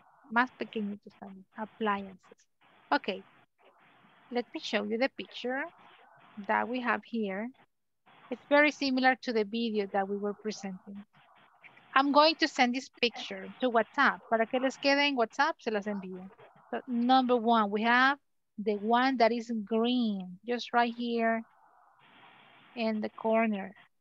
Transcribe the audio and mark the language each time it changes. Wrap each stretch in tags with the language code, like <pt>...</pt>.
<es>Más pequeñitos también. Appliances. Okay.</es> <en>Let me show you the picture that we have here. It's very similar to the video that we were presenting. I'm going to send this picture to WhatsApp.</en> <es>Para que les quede en WhatsApp, se las envío.</es> <en>So, number one, we have the one that is green, just right here in the corner.</en>